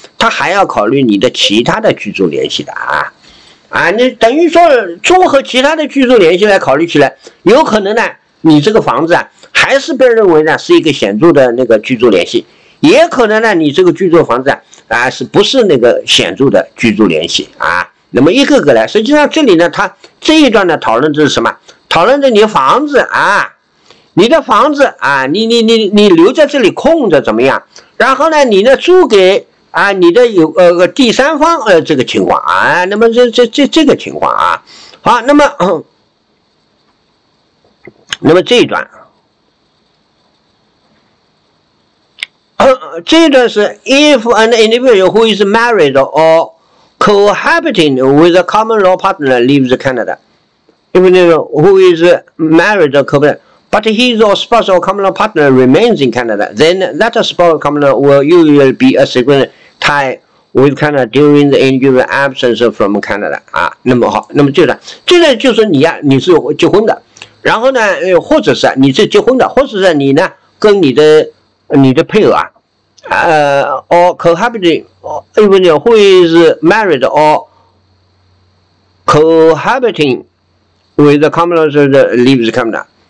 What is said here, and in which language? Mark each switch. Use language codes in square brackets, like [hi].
[zh] 他还要考虑你的其他的居住联系的啊，你等于说综合其他的居住联系来考虑起来，有可能呢，你这个房子啊，还是被认为呢是一个显著的那个居住联系，也可能呢，你这个居住房子啊，是不是那个显著的居住联系啊？那么一个个来，实际上这里呢，他这一段呢讨论的是什么？讨论着你房子啊。你的房子啊，你留在这里空着怎么样？然后呢，你呢租给啊，你的有第三方这个情况啊，那么这个情况啊，好，那么这一段，这一段是 [en] if an individual who is married or cohabiting with a common law partner leaves Canada, individual who is married or cohabiting, but his or spouse or common law partner remains in Canada, then that spouse or common law will usually be a significant tie with Canada during the individual absence from Canada. [zh] 啊，那么好，那么这段就是你呀、啊，你是结婚的，然后呢，或者是你是结婚的，或者是你呢跟你的配偶啊。 [en] Or cohabiting, or even who is married or cohabiting with the common law that leaves Canada.